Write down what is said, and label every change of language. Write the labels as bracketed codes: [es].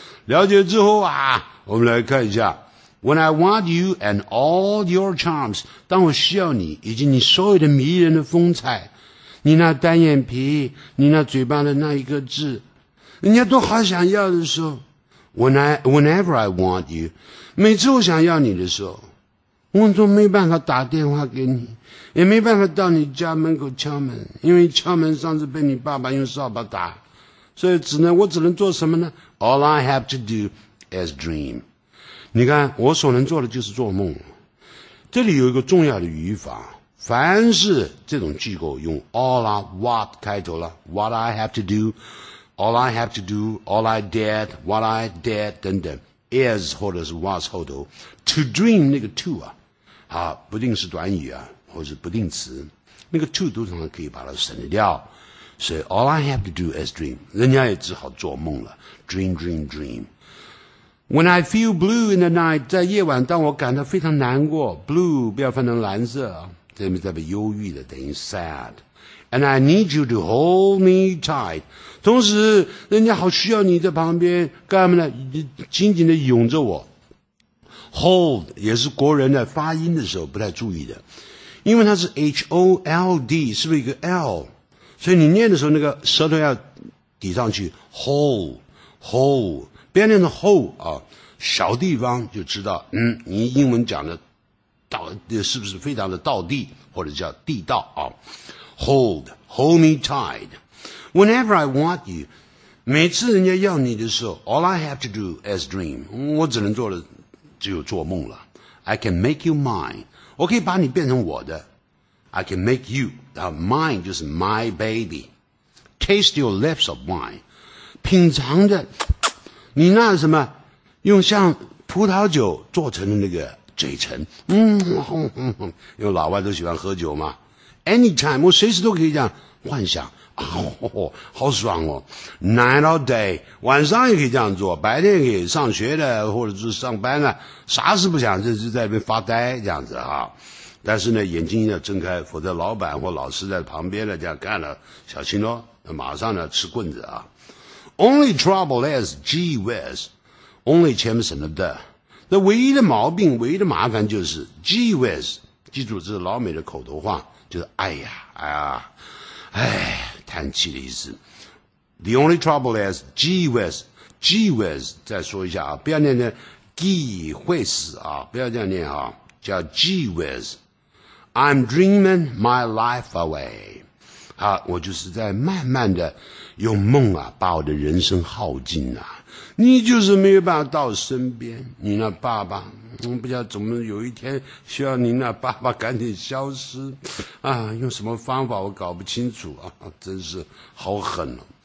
[zh] 了解之后啊，我们来看一下。 [en] When I want you and all your charms, [zh] 当我需要你以及你所有的迷人的风采，你那单眼皮，你那嘴巴的那一个痣，人家都好想要的时候 [en] whenever I want you, [zh] 每次我想要你的时候，我都没办法打电话给你，也没办法到你家门口敲门，因为敲门上次被你爸爸用扫把打，所以我只能做什么呢？ [en] All I have to do is dream. [zh] 你看我所能做的就是做梦。这里有一个重要的语法，凡是这种句构用 all I what 开头了， [en] what I have to do, all I have to do, all I did, [zh] what I did 等等， is 或者是 was 后头 to dream 那个 to 啊，啊不定是短语啊或者是不定词，那个 to 通常可以把它省掉，所以 [en] all I have to do is dream, [zh] 人家也只好做梦了， [en] dream dream dream。 When I feel blue in the night, [zh] 在夜晚当我感到非常难过 ,blue, 不要翻成蓝色这里面代表忧郁的等于 sad。 [en] And I need you to hold me tight. [zh] 同时人家好需要你在旁边干嘛呢紧紧地拥着我。 Hold 也是国人的发音的时候不太注意的。因为它是 H-O-L-D, 是不是一个 L? 所以你念的时候那个舌头要抵上去 ,hold, hold, 不要念成 hold, 啊小地方就知道你英文讲的到是不是非常的道地或者叫地道啊。 [en] Hold, hold me tight. Whenever I want you, [zh] 每次人家要你的时候 [en] all I have to do is dream. [zh] 我只能做的只有做梦了。 [en] I can make you mine. [zh] 我可以把你变成我的。 [en] I can make you, mine [zh] 就是 [en] my baby. Taste your lips of mine. [zh] 品尝的你那什么用像葡萄酒做成的那个嘴唇。因为老外都喜欢喝酒嘛。Anytime, 我随时都可以这样幻想、啊哦、好爽哦 [en] Night or day, [zh] 晚上也可以这样做白天也可以上学的或者是上班的啥事不想就是在那边发呆这样子啊。但是呢眼睛要睁开否则老板或老师在旁边的这样干了小心咯马上呢吃棍子啊。 [en] Only trouble is, gee whiz, only [zh] 前面省了的。那唯一的毛病唯一的麻烦就是 gee whiz, 记住这是老美的口头话。就是哎呀哎呀哎叹气的意思。 [en] The only trouble is, gee whiz, gee whiz, [zh] 再说一下啊不要念念 [en] gee whiz, [zh] 啊不要这样念啊叫 [en] gee whiz, I'm dreaming my life away. [zh] 好我就是在慢慢的用梦啊把我的人生耗尽啊。你就是没有办法到身边你那爸爸我不知道怎么有一天需要你那爸爸赶紧消失啊用什么方法我搞不清楚啊真是好狠哦。